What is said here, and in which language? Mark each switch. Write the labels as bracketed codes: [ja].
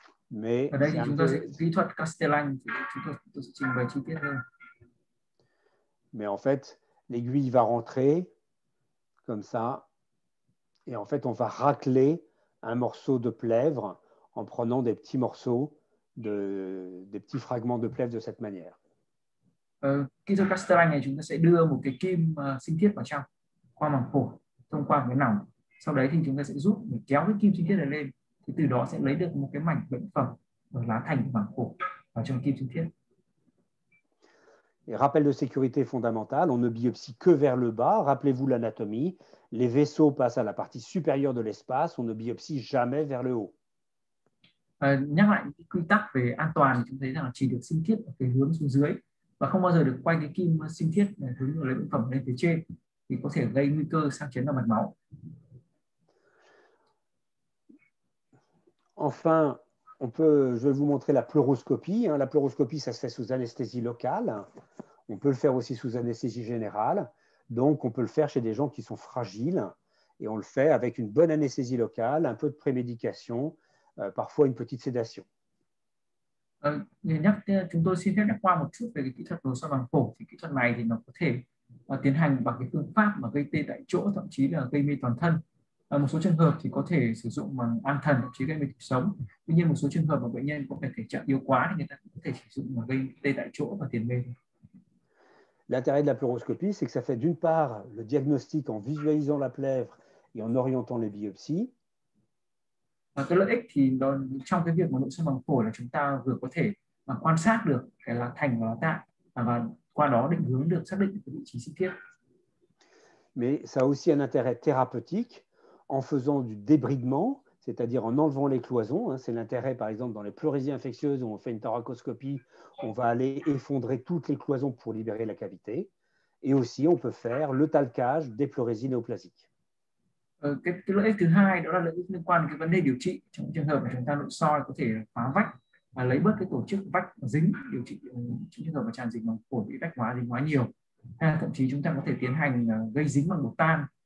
[fr] Mais [vi] ở đây thì chúng ta sẽ kỹ thuật Castelin, chúng ta sẽ trình bày chi tiết hơn. [fr] Mais en fait, l'aiguille va rentrer comme ça. Et en fait, on va racler un morceau de plèvre en prenant des petits morceaux, des petits fragments de plèvre de cette manière. [vi] Kỹ thuật Castelin này, chúng ta sẽ đưa một cái kim sinh thiết vào trong, qua màng phổi, thông qua cái nòng. Sau đấy thì chúng ta sẽ giúp để kéo cái kim sinh thiết này lên. Thì từ đó sẽ lấy được một cái mảnh bệnh phẩm ở lá thành màng phổi vào trong kim sinh thiết. [fr] Et rappel de sécurité fondamental, on ne biopsie que vers le bas. Rappelez-vous l'anatomie, les vaisseaux passent à la partie supérieure de l'espace, on ne biopsie jamais vers le haut. [vi] Nhắc lại cái quy tắc về an toàn, chúng thấy rằng chỉ được sinh thiết ở cái hướng xuống dưới và không bao giờ được quay cái kim sinh thiết hướng lấy bệnh phẩm lên phía trên thì có thể gây nguy cơ sang chấn động mạch máu. [fr] Enfin, je vais vous montrer la pleuroscopie. La pleuroscopie, ça se fait sous anesthésie locale. On peut le faire aussi sous anesthésie générale. Donc, on peut le faire chez des gens qui sont fragiles. Et on le fait avec une bonne anesthésie locale, un peu de prémédication, parfois une petite sédation. [vi] Chúng tôi xin phép nhắc qua một chút về kỹ thuật nội soi màng phổi. Kỹ thuật này thì nó có thể tiến hành bằng cái phương pháp mà gây tê tại chỗ, thậm chí là gây mê toàn thân. Một số trường hợp thì có thể sử dụng bằng an thần, thậm chí gây mê thịt sống. Tuy nhiên, một số trường hợp mà bệnh nhân có thể thể trạng yếu quá thì người ta cũng có thể sử dụng mà gây tê tại chỗ và tiền mê. [fr] L'intérêt de la pleuroscopie, c'est que ça fait d'une part le diagnostic en visualisant la plèvre et en orientant les biopsies. [vi] Và cái lợi ích thì đó, trong cái việc mà nội soi bằng phổi là chúng ta vừa có thể mà quan sát được cái lá thành và lá tạ và qua đó định hướng được xác định cái vị trí sinh thiết. [fr] Mais ça a aussi un intérêt thérapeutique. En faisant du débridement, c'est-à-dire en enlevant les cloisons, c'est l'intérêt, par exemple, dans les pleurésies infectieuses où on fait une thoracoscopie, on va aller effondrer toutes les cloisons pour libérer la cavité. Et aussi, on peut faire le talcage des pleurésies néoplasiques. [vi] Cái lợi ích thứ hai đó là lợi ích liên quan đến cái vấn đề điều trị. Trong trường hợp mà chúng ta nội soi có thể phá vách và lấy bớt cái tổ chức vách dính điều trị trong trường hợp mà tràn dịch màng phổi bị vách hóa dính hóa nhiều. Hay là thậm chí chúng ta có thể tiến hành gây dính bằng bột tan.